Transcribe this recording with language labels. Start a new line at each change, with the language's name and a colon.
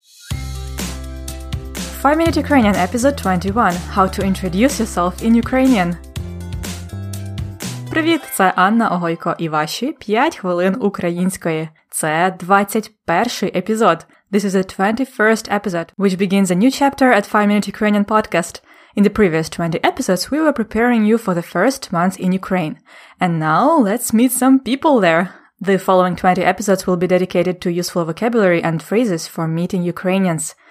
English: 5 Minute Ukrainian Episode 21 – How to introduce yourself in Ukrainian.
Ukrainian: Привіт, це Анна Огойко і ваші 5 хвилин української. Це 21-й епізод.
English: This is the 21st episode, which begins a new chapter at 5 Minute Ukrainian Podcast. In the previous 20 episodes, we were preparing you for the first month in Ukraine. And now, let's meet some people there! The following 20 episodes will be dedicated to useful vocabulary and phrases for meeting Ukrainians.